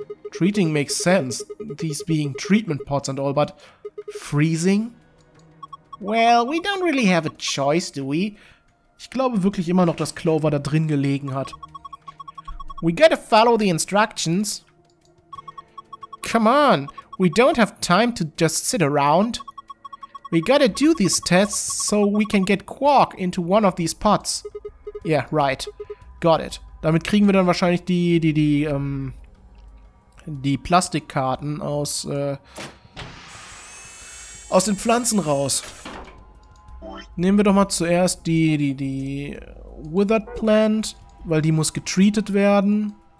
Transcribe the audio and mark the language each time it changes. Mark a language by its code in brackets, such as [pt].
[en] Treating makes sense, these being treatment pots and all, but freezing? Well, we don't really have a choice, do we? [de] Ich glaube wirklich immer noch, dass Clover da drin gelegen hat. [en] We gotta follow the instructions. Come on, we don't have time to just sit around. We gotta do these tests so we can get Quark into one of these pots. Yeah, right. Got it. [de] Damit kriegen wir dann wahrscheinlich die Plastikkarten aus den Pflanzen raus. Nehmen wir doch mal zuerst die Withered Plant, weil die muss getreated werden.